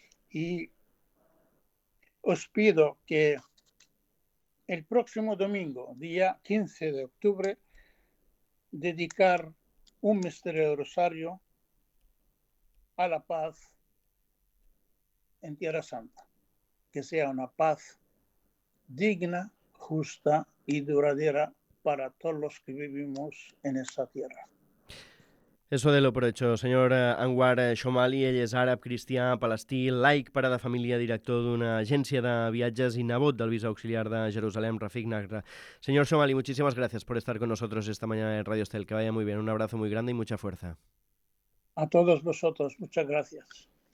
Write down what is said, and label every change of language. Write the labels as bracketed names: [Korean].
[Spanish] Y os pido que el próximo domingo, día 15 de octubre, dedicar un misterio de rosario a la paz en Tierra Santa, que sea una paz digna, justa y duradera para todos los que vivimos en esta tierra. Eso de lo por hecho. [Catalan] Senyor Anwar Shomali, ell és àrab, cristià, palestí, laic, pare de família, director d'una agència de viatges i nebot del visa auxiliar de Jerusalem, Rafik Nagra. [Spanish] Senyor Shomali, muchísimas gracias por estar con nosotros esta mañana en Radio Estel. Que vaya muy bien. Un abrazo muy grande y mucha fuerza. A todos vosotros, muchas gracias.